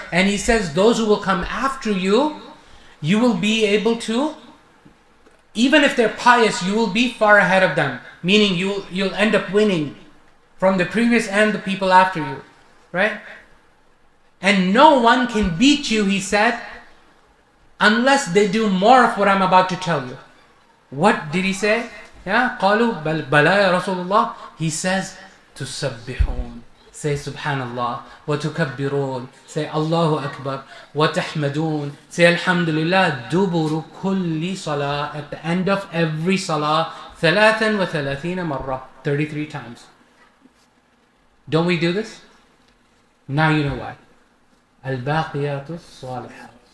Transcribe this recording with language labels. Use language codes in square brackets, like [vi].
[en] And he says, those who will come after you, you will be able to, even if they're pious, you will be far ahead of them. Meaning you'll end up winning from the previous and the people after you, right? And no one can beat you, he said, unless they do more of what I'm about to tell you. What did he say? Yeah, [ar] قَالُوا بَلَا يَا رَسُولُ اللَّهِ [en] He says, [ar] تُسَبِّحُونَ [en] Say, Subhanallah. [ar] وَتُكَبِّرُونَ [en] Say, Allahu Akbar. [ar] وَتَحْمَدُونَ [en] Say, Alhamdulillah. [ar] دُبُرُ كُلِّ صَلَاةٍ [en] At the end of every salah, [ar] ثَلَاثًا وَثَلَاثِينَ مَرَّةً [en] 33 times. Don't we do this? Now you know why. [ar] الباقيات الصالحات.